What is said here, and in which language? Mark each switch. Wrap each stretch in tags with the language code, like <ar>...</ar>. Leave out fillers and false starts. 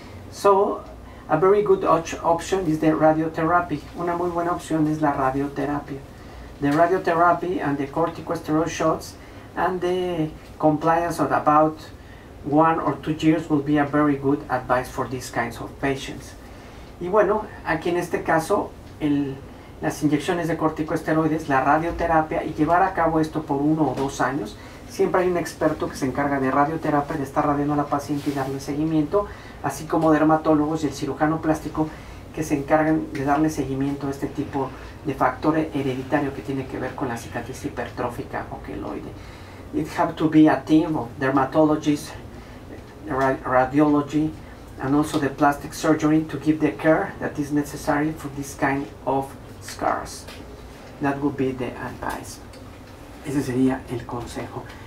<en>So, a very good option is the radiotherapy.</en> <es>Una muy buena opción es la radioterapia.</es> <en>The radiotherapy and the corticosteroid shots and the compliance of about 1 or 2 years will be a very good advice for these kinds of patients.</en> <es>Y bueno, aquí en este caso, las inyecciones de corticosteroides, la radioterapia y llevar a cabo esto por 1 o 2 años. Siempre hay un experto que se encarga de radioterapia, de estar radiando a la paciente y darle seguimiento, así como dermatólogos y el cirujano plástico que se encargan de darle seguimiento a este tipo de factor hereditario que tiene que ver con la cicatriz hipertrófica o queloide.</es> <en>It have to be a team of dermatologists, radiology, and also the plastic surgeon to give the care that is necessary for this kind of scars. That would be the advice.</en> <es>Ese sería el consejo.</es>